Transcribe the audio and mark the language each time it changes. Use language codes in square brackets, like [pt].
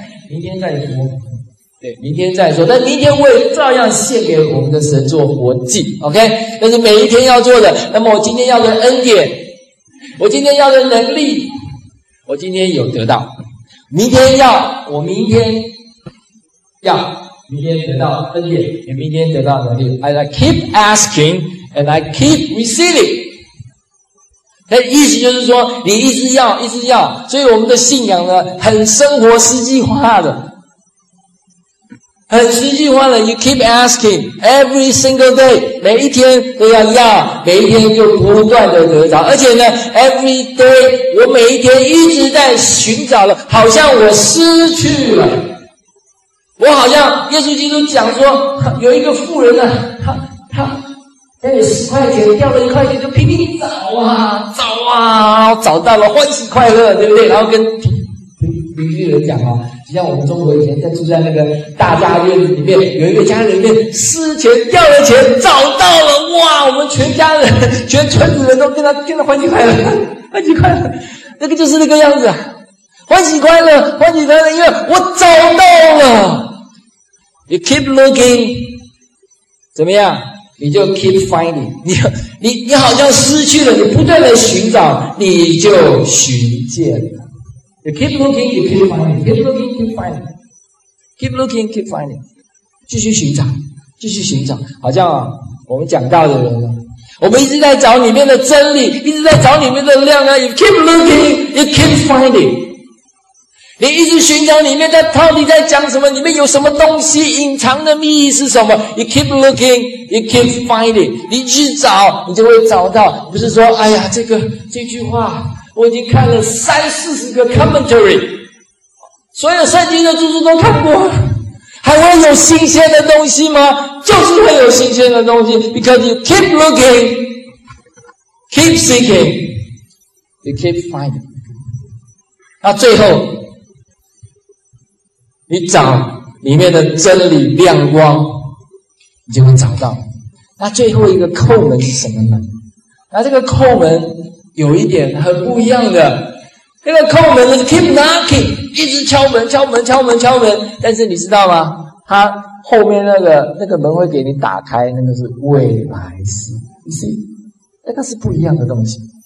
[zh] 明天再说，对，明天再说。但明天我也照样献给我们的神做活祭 ，OK？那是每一天要做的。那么我今天要的恩典，我今天要的能力，我今天有得到，明天要，我明天要，明天得到恩典，也明天得到能力。 [en] And I keep asking and I keep receiving。 [zh] 那意思就是说，你一直要，一直要，所以我们的信仰呢，很生活实际化的，很实际化的。 [en] You keep asking every single day， [zh] 每一天都要要，每一天就不断的得着，而且呢 ， [en] every day， [zh] 我每一天一直在寻找了，好像我失去了，我好像耶稣基督讲说，有一个富人呢、啊，他有十块钱，掉了一块钱，就拼命找啊找啊，找到了，欢喜快乐，对不对？然后跟邻居人讲啊，就像我们中国以前在住在那个大家院子里面，有一个家人里面失钱掉了钱，找到了，哇！我们全家人、全村子人都跟他欢喜快乐，欢喜快乐，那个就是那个样子，欢喜快乐，欢喜快乐，因为我找到了。 [en] You keep looking， [zh] 怎么样？你就 [en] keep finding， [zh] 你好像失去了，你不断的寻找，你就寻见了。 [en] You keep looking, you keep finding. Keep looking, keep finding. Keep looking, keep finding. [zh] 继续寻找，继续寻找。好像啊，我们讲道的人呢，我们一直在找里面的真理，一直在找里面的亮啊。 [en] You keep looking, you keep finding. [zh] 你一直寻找里面的到底在讲什么，里面有什么东西，隐藏的秘密是什么。 [en] You keep looking, you keep finding. [zh] 你去找，你就会找到。不是说，哎呀，这句话。我已经看了三四十个 commentary， 所有圣经的著作都看过，还会有新鲜的东西吗？就是会有新鲜的东西， [en] because you keep looking, keep seeking, you keep finding。 [zh] 那最后你找里面的真理亮光，你就会找到。那最后一个叩门是什么呢？那这个叩门有一点很不一样的，那个叩门的是 [en] keep knocking， [zh] 一直敲门敲门敲门敲门，但是你知道吗，他后面那个门会给你打开，那个是未来式， [en] you see， [zh] 那个是不一样的东西。